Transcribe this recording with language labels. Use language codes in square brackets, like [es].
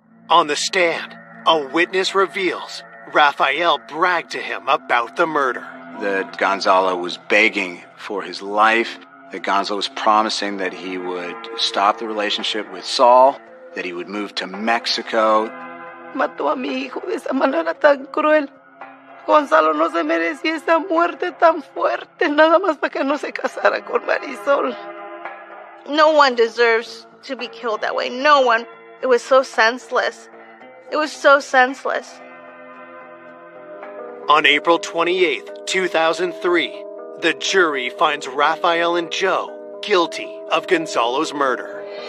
[en] On the stand, a witness reveals Raphael bragged to him about the murder. That Gonzalo was begging for his life, that Gonzalo was promising that he would stop the relationship with Saul, that he would move to Mexico. [es] Mató a mi hijo de esa manera tan cruel. Gonzalo no se merecía esa muerte tan fuerte, nada más para que no se casara con Marisol. [en] No one deserves to be killed that way. No one. It was so senseless. It was so senseless. On April 28th, 2003, the jury finds Raphael and Joe guilty of Gonzalo's murder.